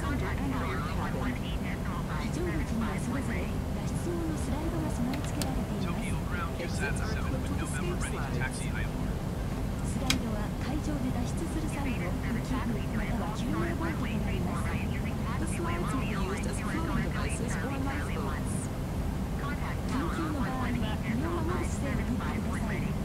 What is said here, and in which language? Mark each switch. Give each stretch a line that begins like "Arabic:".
Japanese: 乗口にはそれぞれ脱出用のスライドが備え付けられています。スライドは会場で脱出する際の空気部または救命ボートとなります。
English: The slides will be used as floating devices or lifeboats.
Japanese: 緊急の場合は身を守る姿勢をとってください。